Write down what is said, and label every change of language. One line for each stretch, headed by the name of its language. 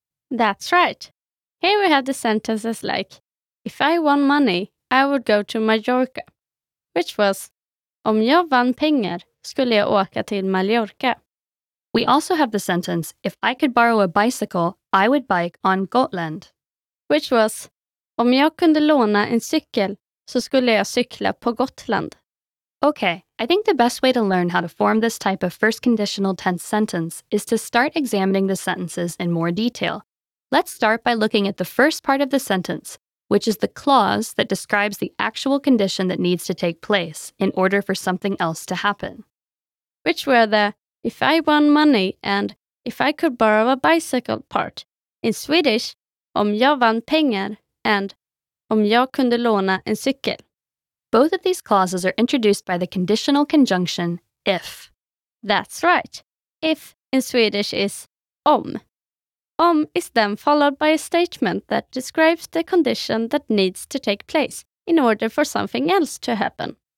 English: That's right. Here we have the sentences like, if I won money, I would go to Mallorca, which was,
Swedish: om jag vann pengar skulle jag åka till Mallorca.
English: We also have the sentence, if I could borrow a bicycle, I would bike on Gotland, which was,
Swedish: om jag kunde låna en cykel så skulle jag cykla på Gotland.
English: Okay, I think the best way to learn how to form this type of first conditional tense sentence is to start examining the sentences in more detail. Let's start by looking at the first part of the sentence, which is the clause that describes the actual condition that needs to take place in order for something else to happen. Which were the if I won money and if I could borrow a bicycle part. In Swedish,
Swedish: om jag vann pengar
English: and
Swedish: om jag kunde låna en cykel.
English: Both of these clauses are introduced by the conditional conjunction if. That's right. If in Swedish is om. Om is then followed by a statement that describes the condition that needs to take place in order for something else to happen.